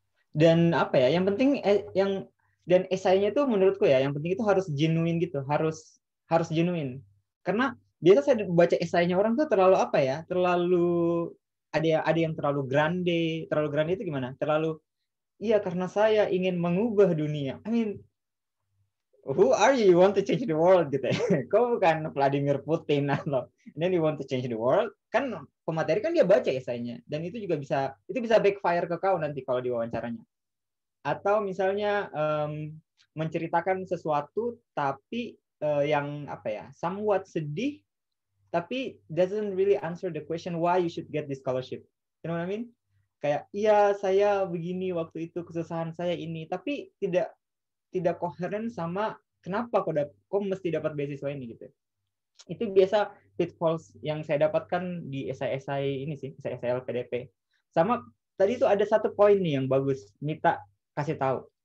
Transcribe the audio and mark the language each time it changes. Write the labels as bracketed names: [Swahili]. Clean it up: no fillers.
[Indonesian] Dan yang penting dan esainya itu menurutku ya yang penting itu harus genuine gitu, harus genuine. Karena biasa saya baca esainya orang tuh terlalu terlalu ada yang terlalu grande. Terlalu grande itu gimana? Terlalu, iya karena saya ingin mengubah dunia. [English] Who are you? You want to change the world? [Indonesian] Gitu ya. Kau bukan Vladimir Putin. [English] And then you want to change the world? [Indonesian] Kan pemateri kan dia baca esainya. Dan itu juga bisa, itu bisa backfire ke kau nanti kalau diwawancaranya. Atau misalnya menceritakan sesuatu tapi [English] somewhat [Indonesian] sedih, tapi [English] doesn't really answer the question why you should get this scholarship. You know what I mean? [Indonesian] Kayak, iya saya begini waktu itu, kesusahan saya ini. Tapi tidak koheren sama kenapa kok mesti dapat beasiswa ini gitu. Itu biasa pitfalls yang saya dapatkan di esai-esai ini sih, esai-esai LPDP. Sama, tadi itu ada satu poin nih yang bagus, Mita kasih tahu.